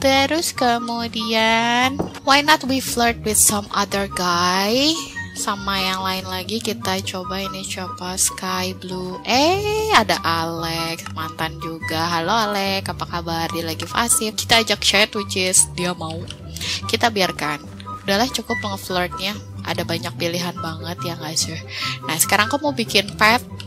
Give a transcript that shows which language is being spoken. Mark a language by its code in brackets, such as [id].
[id] Terus kemudian, [en] why not we flirt with some other guy? [id] Sama yang lain lagi, kita coba ini siapa, Sky Blue. Ada Alex, mantan juga. Halo Alex, apa kabar? Dia lagi fasif. Kita ajak chat, [en] which is [id] dia mau. Kita biarkan. Udahlah, cukup nge-flirtnya. Ada banyak pilihan banget, ya gak sih? Nah, sekarang aku mau bikin pet.